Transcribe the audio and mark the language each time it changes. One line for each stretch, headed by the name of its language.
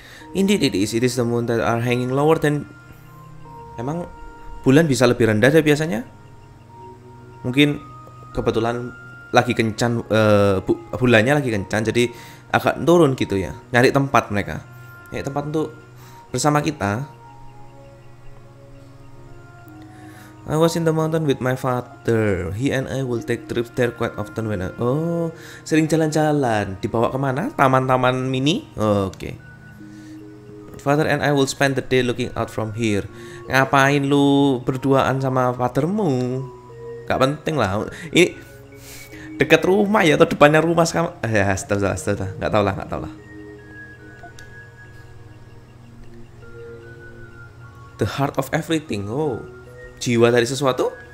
English: Indeed it is. It is the moon that are hanging lower than.
Indonesian: Emang bulan bisa lebih rendah deh biasanya? Mungkin kebetulan lagi kencan, bulannya lagi kencan, jadi agak turun gitu ya. Nyari tempat mereka, nyari tempat untuk bersama kita.
English: I was in the mountain with my father. He and I will take trips there quite often when I...
Indonesian: Oh, sering jalan-jalan. Dibawa kemana? Taman-taman mini? Oh, oke. Okay.
English: Father and I will spend the day looking out from here.
Indonesian: Ngapain lu berduaan sama fathermu? Gak penting lah. Ini dekat rumah ya atau depannya rumah sekarang? Ya, setelah. Gak tau lah.
English: The heart of everything. Oh.
Indonesian: Jiwa dari sesuatu?